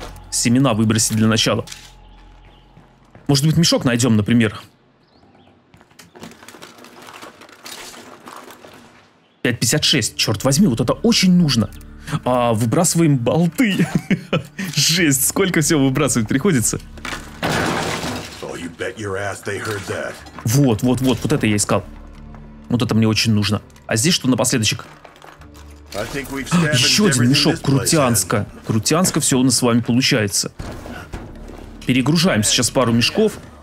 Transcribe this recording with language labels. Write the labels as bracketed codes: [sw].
[ru] Семена выбросить для начала. Может быть, мешок найдем, например? 5.56. Черт возьми, вот это очень нужно. А, выбрасываем болты. Жесть, сколько всего выбрасывать приходится. [en] Oh, you bet your ass they heard that. [ru] Вот это я искал. Вот это мне очень нужно. А здесь что напоследочек? Еще один мешок, крутянска. Крутянска, все у нас с вами получается. Перегружаем сейчас пару мешков.